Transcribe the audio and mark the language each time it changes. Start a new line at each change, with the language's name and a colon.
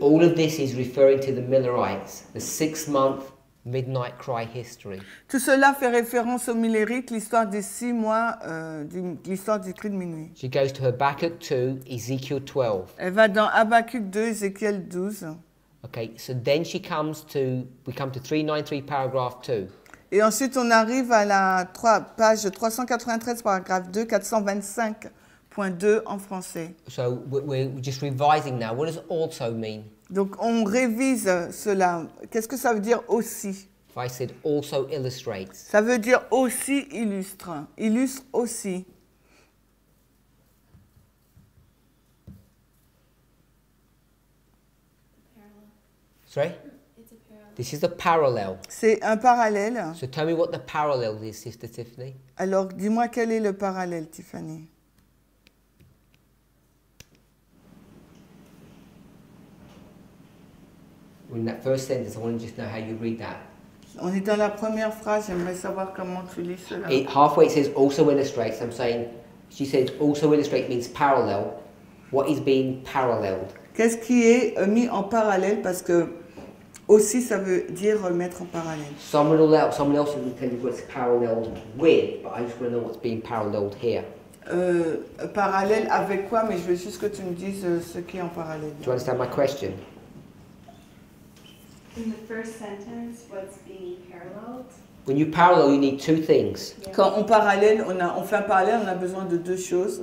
English: All of this is referring to the Millerites, the six-month midnight cry history.
French: Tout cela fait référence aux Millerites, l'histoire des six mois, l'histoire du cri de minuit.
English: She goes to Habakkuk 2, Ezekiel 12.
French: Elle va dans Habakkuk 2, Ezekiel 12.
English: Okay, so then she comes to, we come to 393, paragraph 2.
French: Et ensuite, on arrive à la page 393, paragraphe 2, 425. Point 2 en français.
English: So we're just revising now. What does also mean?
French: Donc on révise cela. Qu'est-ce que ça veut dire aussi?
English: If I said also illustrates.
French: Ça veut dire aussi illustre. Illustre aussi.
English: Sorry? This is a parallel.
French: C'est un parallèle.
English: So tell me what the parallel is, Sister Tiffany.
French: Alors dis-moi quel est le parallèle, Tiffany.
English: In that first sentence, I want to just know how you read that.
French: On est dans la première phrase, j'aimerais savoir comment tu lis cela.
English: Halfway it says also illustrates. I'm saying, she says also illustrates means parallel. What is being paralleled?
French: Qu'est-ce qui est mis en parallèle? Parce que Aussi, ça veut dire mettre en parallèle.
English: Someone else will tell you what's parallel with, but I just want to know what's being paralleled here.
French: Parallèle avec quoi? Mais je veux juste que tu me dises ce qui est en parallèle.
English: Do you understand my question? In the first sentence, what's being paralleled? When you parallel, you need two things.
French: Quand on parallèle, on fait un parallèle, on a besoin de deux choses.